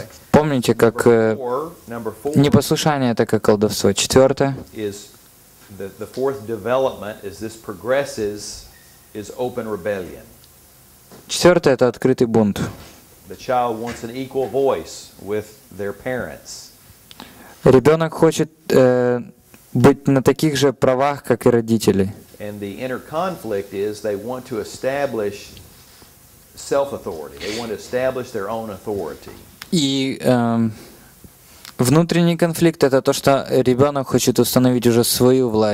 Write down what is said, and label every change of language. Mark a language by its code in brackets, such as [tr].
[ru] Помните, как непослушание — это как колдовство. Четвертое. [en] The fourth development, as this progresses, is open rebellion. [ru] Четвертое — это открытый бунт. [en] The child wants an equal voice with their parents. [ru] Ребенок хочет быть на таких же правах, как и родители. [en] And the inner conflict is they want to establish self-authority. They want to establish their own authority. [ru] Внутренний конфликт — это то, что ребенок хочет установить уже свою